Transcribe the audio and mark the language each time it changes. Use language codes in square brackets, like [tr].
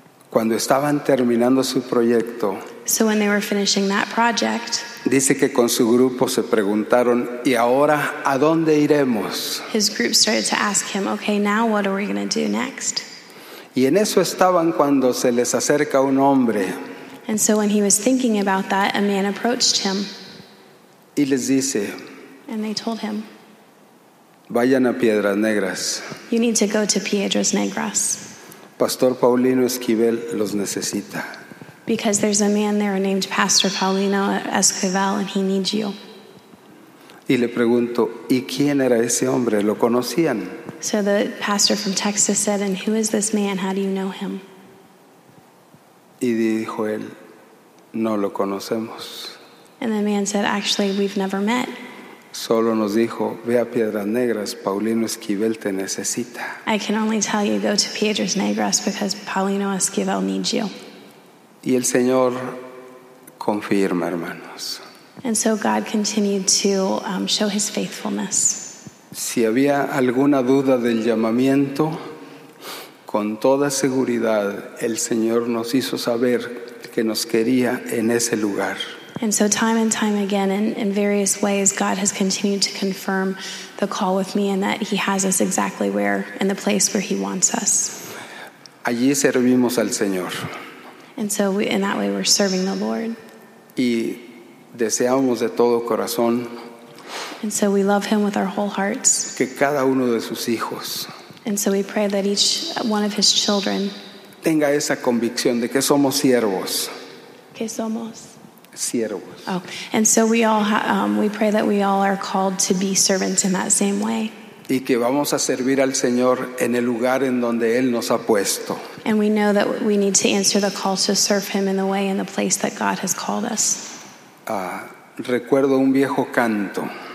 [es] Cuando estaban terminando su proyecto, [en] so when they were finishing that project, [es] dice que con su grupo se preguntaron, ¿y ahora a dónde iremos? [en] His group started to ask him, okay, now what are we going to do next? [es] Y en eso estaban cuando se les acerca un hombre. [en] And so when he was thinking about that, a man approached him. [es] Y les dice, [en] and they told him, [es] vayan a Piedras Negras. [en] You need to go to Piedras Negras. [es] Pastor Paulino Esquivel los necesita. [en] Because there's a man there named Pastor Paulino Esquivel, and he needs you. [es] Y le pregunto, ¿y quién era ese hombre? ¿Lo conocían? [en] So the pastor from Texas said, and who is this man? How do you know him? [es] Y dijo él, no lo conocemos. [en] And the man said, actually, we've never met. [es] Solo nos dijo, ve a Piedras Negras, Paulino Esquivel te necesita. [en] I can only tell you, go to Piedras Negras because Paulino Esquivel needs you. [es] Y el Señor confirma, hermanos. [en] And so God continued to show his faithfulness. [es] Si había alguna duda del llamamiento, con toda seguridad, el Señor nos hizo saber que nos quería en ese lugar. [en] And so time and time again, in various ways, God has continued to confirm the call with me and that he has us exactly where, in the place where he wants us. [es] Allí servimos al Señor. [en] And so we, in that way, we're serving the Lord. [es] Y deseamos de todo corazón. [en] And so we love him with our whole hearts. [es] Que cada uno de sus hijos, [en] and so we pray that each one of his children [es] tenga esa convicción de que somos siervos. Que somos siervos. [en] Oh, and so we all we pray that we all are called to be servants in that same way. [es] Y que vamos a servir al Señor en el lugar en donde él nos ha puesto. [en] And we know that we need to answer the call to serve him in the way and the place that God has called us. [es] Recuerdo un viejo canto.